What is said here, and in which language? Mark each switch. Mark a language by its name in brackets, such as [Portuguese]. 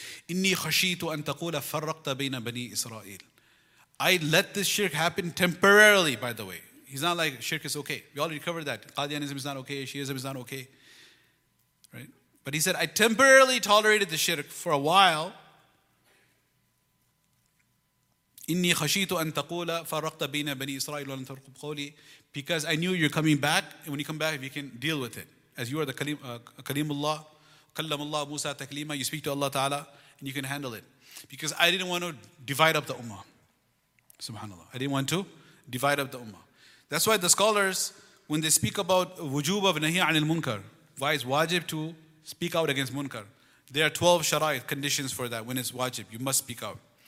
[Arabic] إني خشيت أن تقول فرقت بين بني إسرائيل. [English] I let this shirk happen temporarily, by the way. He's not like shirk is okay. We already covered that. Qadianism is not okay. Shiism is not okay. Right? But he said, I temporarily tolerated the shirk for a while. [Arabic] إني خشيت أن تقول فرقت بين بني إسرائيل ولن ترقب قولي. [English] Because I knew you're coming back, and when you come back, you can deal with it. As you are the Kalimullah, Kallam Allah Musa Taklima, you speak to Allah Ta'ala, and you can handle it. Because I didn't want to divide up the Ummah. SubhanAllah. I didn't want to divide up the Ummah. That's why the scholars, when they speak about wujub of Nahi anil Munkar, why it's wajib to speak out against Munkar, there are 12 sharait conditions for that when it's wajib. You must speak out.